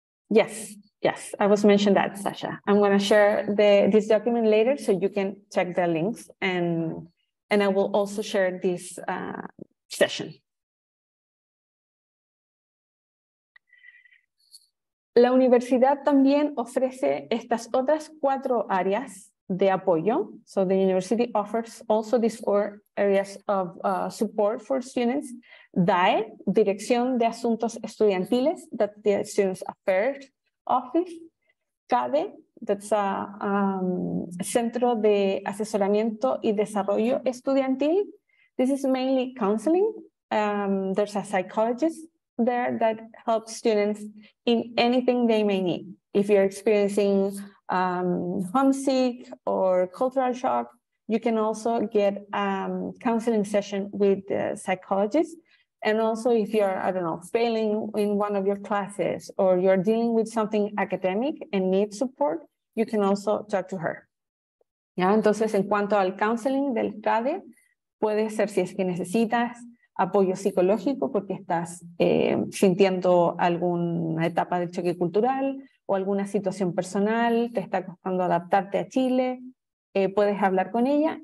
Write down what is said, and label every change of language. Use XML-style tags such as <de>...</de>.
<en>Yes, yes, I was mentioned that, Sasha. I'm gonna share this document later so you can check the links, and I will also share this session.</en> <es>La universidad también ofrece estas otras 4 áreas de apoyo.</es> <en>So the university offers also these 4 areas of support for students. DAE, Dirección de Asuntos Estudiantiles, that's the Students Affairs Office. CADE, that's a Centro de Asesoramiento y Desarrollo Estudiantil. This is mainly counseling. There's a psychologist there that helps students in anything they may need. If you're experiencing homesick or cultural shock, you can also get a counseling session with the psychologist. And also if you're, I don't know, failing in one of your classes or you're dealing with something academic and need support, you can also talk to her.</en> <es>Yeah, entonces en cuanto al counseling del CADE, puede ser si es que necesitas apoyo psicológico porque estás sintiendo alguna etapa de choque cultural o alguna situación personal, te está costando adaptarte a Chile, puedes hablar con ella.</es>